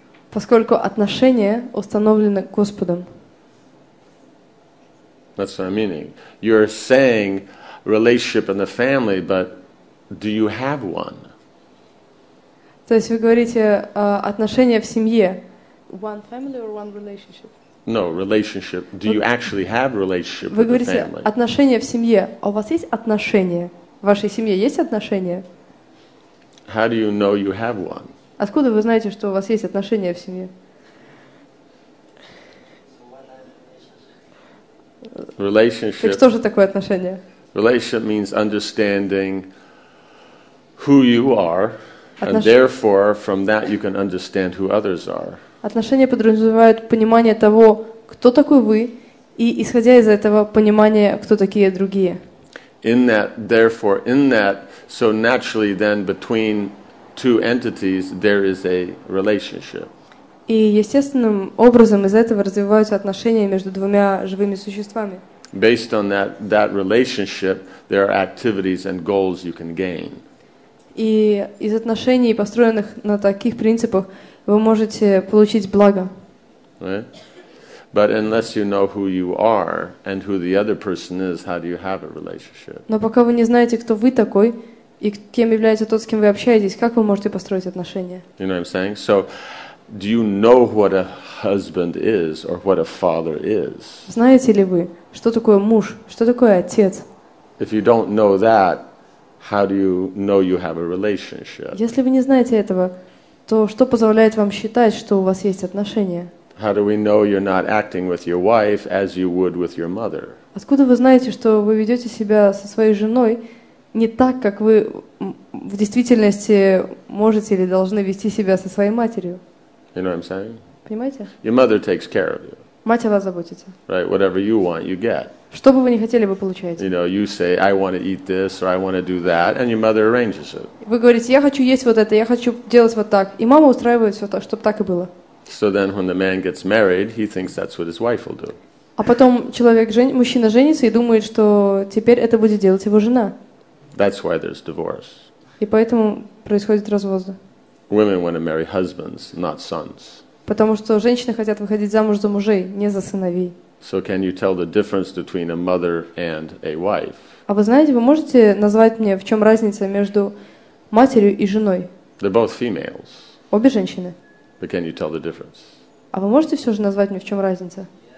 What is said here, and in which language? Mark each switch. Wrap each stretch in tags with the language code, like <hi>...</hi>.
<ru>Поскольку отношения установлены Господом.</ru> <en>That's what I'm meaning. You're saying relationship in the family, but do you have one?</en> <ru>То есть вы говорите отношения в семье.</ru> <en>One family or one relationship? No, relationship. Do you actually have relationship with</en> <ru>Вы говорите отношения в семье. А у вас есть отношения? В вашей семье есть отношения?</ru> <en>How do you know you have one?</en> <ru>Откуда вы знаете, что у вас есть отношения в семье?</ru> <en>Relationship.</en> <ru>Так что же такое отношения?</ru> <en>Relationship means understanding who you are, and therefore from that you can understand who others are.</en> <ru>Отношения подразумевают понимание того, кто такой вы, и исходя из этого понимание, кто такие другие.</ru> <en>In that, therefore, in that, so naturally then between two entities there is a relationship.</en> <ru>И естественным образом из этого развиваются отношения между двумя живыми существами.</ru> <en>Based on that relationship, there are activities and goals you can gain.</en> <ru>И из отношений, построенных на таких принципах, вы можете получить благо.</ru> <en>But unless you know who you are and who the other person is, how do you have a relationship?</en> <ru>Но пока вы не знаете, кто вы такой и кем является тот, с кем вы общаетесь, как вы можете построить отношения?</ru> <en>You know what I'm saying? So, do you know what a husband is or what a father is?</en> <ru>Знаете ли вы, что такое муж, что такое отец?</ru> <en>If you don't know that, how do you know you have a relationship?</en> <ru>Если вы не знаете этого, то что позволяет вам считать, что у вас есть отношения?</ru> <en>How do we know you're not acting with your wife as you would with your mother?</en> <ru>Откуда вы знаете, что вы ведете себя со своей женой не так, как вы в действительности можете или должны вести себя со своей матерью?</ru> <en>You know what I'm saying?</en> <ru>Понимаете?</ru> <en>Your mother takes care of you.</en> <ru>Мать о вас заботится.</ru> <en>Right, whatever you want, you get.</en> <ru>Что бы вы не хотели, вы получаете.</ru> <en>You know, you say, I want to eat this or I want to do that, and your mother arranges it.</en> <ru>Вы говорите, я хочу есть вот это, я хочу делать вот так, и мама устраивает все так, чтобы так и было.</ru> <en>So then when the man gets married, he thinks that's what his wife will do.</en> <ru>А потом человек мужчина женится и думает, что теперь это будет делать его жена.</ru> <en>That's why there's divorce.</en> <ru>И поэтому происходит развод.</ru> <en>Women want to marry husbands, not sons.</en> <ru>Потому что женщины хотят выходить замуж за мужей, не за сыновей.</ru> <en>So can you tell the difference between a mother and a wife?</en> <ru>А вы знаете, вы можете назвать мне, в чем разница между матерью и женой?</ru> <en>They're both females.</en> <ru>Обе женщины.</ru> <en>But can you tell the difference?</en> <ru>А вы можете все же назвать мне, в чем разница?</ru>